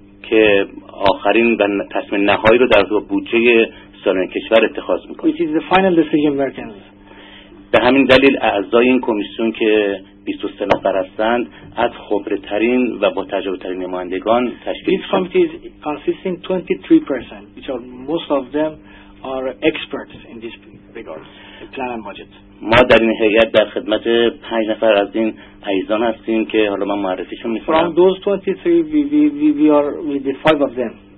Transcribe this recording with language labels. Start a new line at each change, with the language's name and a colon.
Persian: که آخرین و تصمیم نهایی رو در بودجه سالانه کشور اتخاذ میکنه.
English: This is the final decision making.
Persian: به همین دلیل اعضای این کمیسیون که 23 نفر هستند از خبره ترین و با تجربه ترین نمایندگان تشکیل شده.
English: This committee is consisting 23%, which are most of them are experts in this regard, plan and budget.
Persian: ما در این هیئت در خدمت 5 نفر از این عزیزان هستیم که حالا من معرفیشون می‌کنم.
English: From those 23 we are with the 5 of them.